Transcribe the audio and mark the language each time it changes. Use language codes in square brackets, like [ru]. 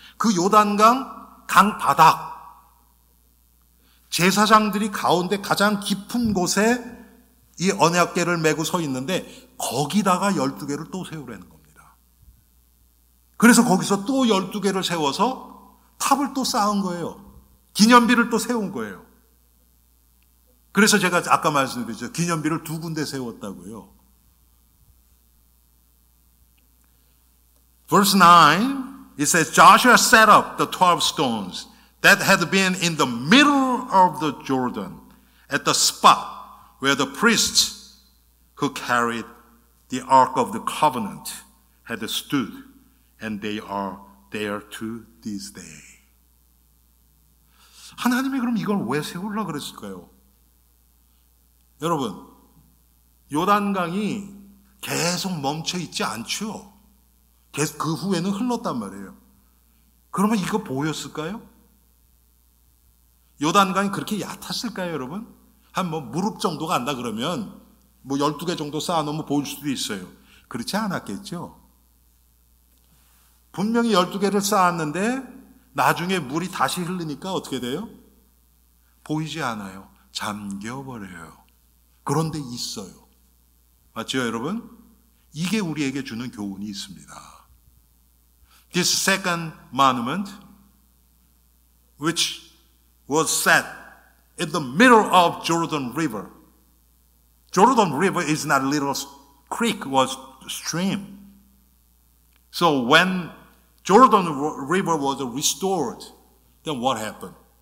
[ko] 그 요단강 강 바닥 제사장들이 가운데 가장 깊은 곳에 이 언약궤를 메고 서 있는데 거기다가 열두 개를 또 세우라는 겁니다. 그래서 거기서 또 열두 개를 세워서 탑을 또 쌓은 거예요. 기념비를 또 세운 거예요. 그래서 제가 아까 말씀드렸죠. 기념비를 두 군데 세웠다고요. [en] Verse 9, it says, Joshua set up the 12 stones that had been in the middle of the Jordan at the spot where the priests who carried the Ark of the Covenant had stood, and they are there to this day. [ko] 하나님이 그럼 이걸 왜 세우려고 그랬을까요? 여러분, 요단강이 계속 멈춰 있지 않죠? 계속 그 후에는 흘렀단 말이에요. 그러면 이거 보였을까요? 요단강이 그렇게 얕았을까요, 여러분? 한 뭐 무릎 정도가 안다 그러면 뭐 12개 정도 쌓아놓으면 보일 수도 있어요. 그렇지 않았겠죠? 분명히 12개를 쌓았는데 나중에 물이 다시 흐르니까 어떻게 돼요? 보이지 않아요. 잠겨버려요. 그런데 있어요. 맞죠, 여러분? 이게 우리에게 주는 교훈이 있습니다. [en] This second monument, which was set in the middle of Jordan River. Jordan River is not a little creek, it was a stream. So when Jordan River was restored, then what happened?